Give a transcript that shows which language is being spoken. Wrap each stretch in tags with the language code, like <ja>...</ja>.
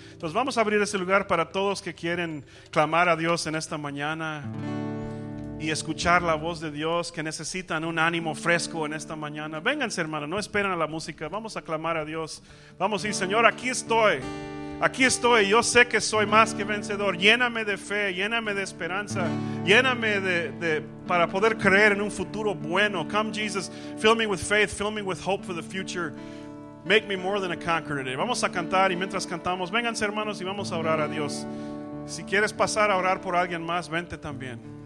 <es>Entonces vamos a abrir ese lugar para todos que quieren clamar a Dios en esta mañana y escuchar la voz de Dios, que necesitan un ánimo fresco en esta mañana. Vénganse, hermano, no esperen a la música. Vamos a clamar a Dios. Vamos a decir, Señor, aquí estoy. Aquí estoy, yo sé que soy más que vencedor. Lléname de fe, lléname de esperanza. Lléname de para poder creer en un futuro bueno.</es> <en>Come Jesus, fill me with faith, fill me with hope for the future. Make me more than a conqueror today.</en> <es>Vamos a cantar y mientras cantamos, vénganse hermanos y vamos a orar a Dios. Si quieres pasar a orar por alguien más, vente también.</es>